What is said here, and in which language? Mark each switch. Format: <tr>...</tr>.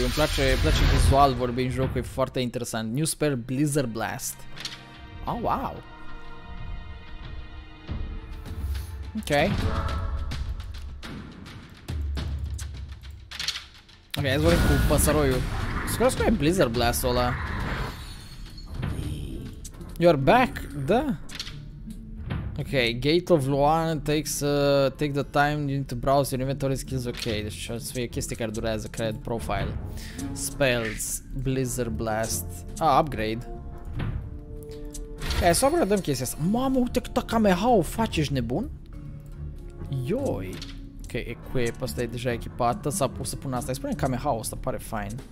<ro>Îmi place vizual vorbind jocul, e foarte interesant.</ro> <en>New Spell Blizzard Blast. Oh, wow.</en> <ro>Ok. Ok, hai să vorbim cu păsăroiul. Să cunosc cum e Blizzard Blast-ul ăla.</ro> <en>You're back,</en> <ro>da?</ro> <en>Ok, Gate of Luan takes take the time you need to browse your inventory skills.</en> <ro>Ok, deci o să fie chestii care durează, cred, profile.</ro> <en>Spells, Blizzard Blast. Ah, upgrade.</en> <ro>Ok, să upgradeam chestia asta. Mamă, uite câtă Kamehau faci, ești nebun? Yoi. Ok, equip, asta e deja echipată, s-a pus să pun asta. Îi spunem Kamehau, asta pare fain.</ro>